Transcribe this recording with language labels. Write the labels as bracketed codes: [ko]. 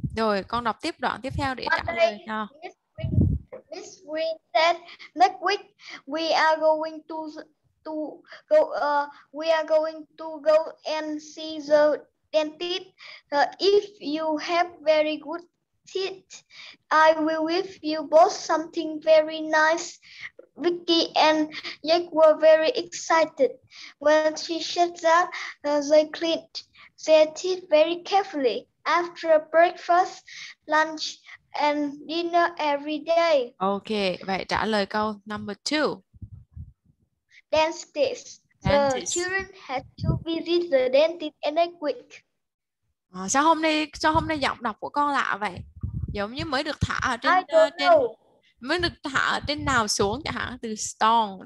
[vi] Rồi con đọc tiếp đoạn tiếp theo để trả lời cho. [en] Miss Green said, "Next week we are going to go we are going to go and see the dentist. If you have very good teeth, I will give you both something very nice." Vicky and Jack were very excited when she said that. They cleaned their teeth very carefully after breakfast, lunch, and dinner every day. [vi] Okay, vậy trả lời câu [en] number two. Dentist. The children had to visit the dentist every week. [vi] À, sao hôm nay giọng đọc của con lạ vậy? Giống như mới được thả ở trên mới được thả ở trên nào xuống chẳng hạn, từ strong.